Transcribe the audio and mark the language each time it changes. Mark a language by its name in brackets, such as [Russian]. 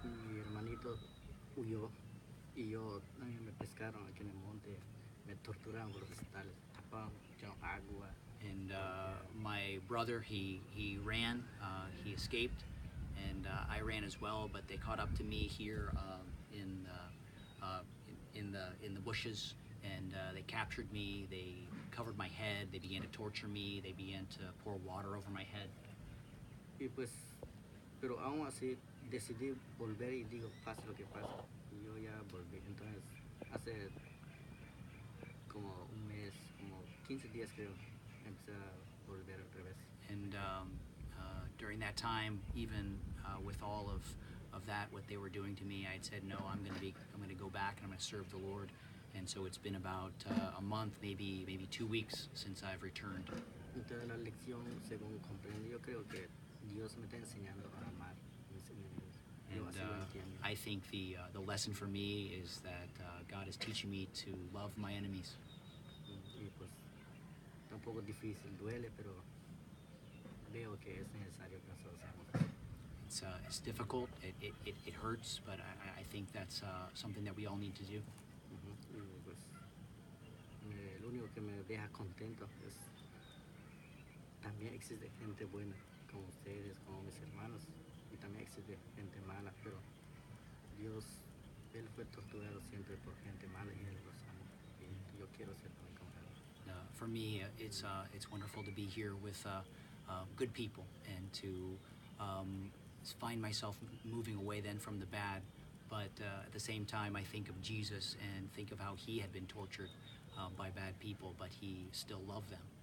[Spanish] mi hermanito huyó y yo también me pescaron aquí en el monte, me torturaron por vegetales, tapaban agua. [English] And my brother, he ran, he escaped, and I ran as well, but they caught up to me here in the bushes, and they captured me, they covered my head, they began to torture me, they began to pour water over my head. [Spanish] Y pues, pero aún así decidí volver y digo, pase lo que pase, yo ya volví. Entonces, hace como un mes, como 15 días creo, empecé a volver otra vez. [English] And during that time, even with all of that, what they were doing to me, I had said, no, I'm gonna go back and I'm gonna serve the Lord. And so it's been about a month, maybe 2 weeks since I've returned. [Spanish] Entonces la lección, según comprendo, yo creo que Dios me está enseñando a amar. [English] And I think the lesson for me is that God is teaching me to love my enemies. [Spanish] Y pues, está un poco difícil, duele, pero veo que es necesario que nosotros amemos. [English] It's difficult, it hurts, but I think that's something that we all need to do. Mm-hmm. [Spanish] Y pues, lo único que me deja contento es también existe gente buena como ustedes, como mis hermanos, y también existe gente mala, pero Dios, Él fue torturado siempre por gente mala y Él los amó, y yo quiero ser también como Él. [English] For me, it's wonderful to be here with good people and to find myself moving away then from the bad, but at the same time I think of Jesus and think of how he had been tortured by bad people, but he still loved them.